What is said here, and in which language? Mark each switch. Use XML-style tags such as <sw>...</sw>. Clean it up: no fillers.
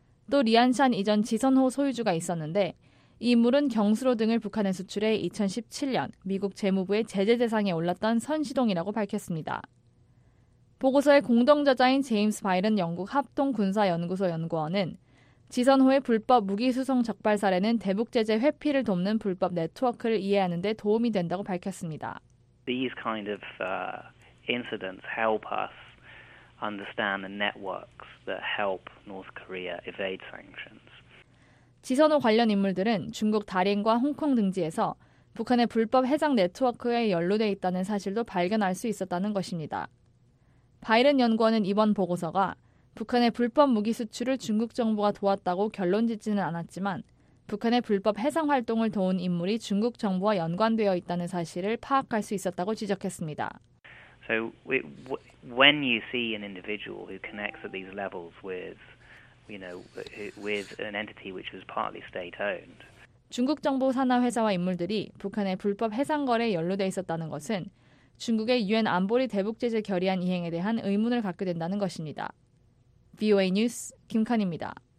<ko>또 리안찬 이전 지선호 소유주가 있었는데 이 인물은 경수로 등을 북한에 수출해 2017년 미국 재무부의 제재 대상에 올랐던 선시동이라고 밝혔습니다. 보고서의 공동저자인 제임스 바일은 영국 합동군사연구소 연구원은 지선호의 불법 무기수송 적발 사례는 대북 제재 회피를 돕는 불법 네트워크를 이해하는 데 도움이 된다고 밝혔습니다.</ko> <en>These kind of incidents help us understand the networks that help North Korea evade sanctions.</en> <ko>지선호 관련 인물들은 중국 다린과 홍콩 등지에서 북한의 불법 해상 네트워크에 연루돼 있다는 사실도 발견할 수 있었다는 것입니다. 바이런 연구원은 이번 보고서가 북한의 불법 무기 수출을 중국 정부가 도왔다고 결론 짓지는 않았지만 북한의 불법 해상 활동을 도운 인물이 중국 정부와 연관되어 있다는 사실을 파악할 수 있었다고 지적했습니다.</ko> <en>So when you see an individual who connects at these levels with, you know, with an entity which was partly state-owned.</en> <ko>중국 정부 산하 회사와 인물들이 북한의 불법 해상 거래에 연루돼 있었다는 것은 중국의 유엔 안보리 대북 제재 결의안 이행에 대한 의문을 갖게 된다는 것입니다. VOA 뉴스 김칸입니다.</ko>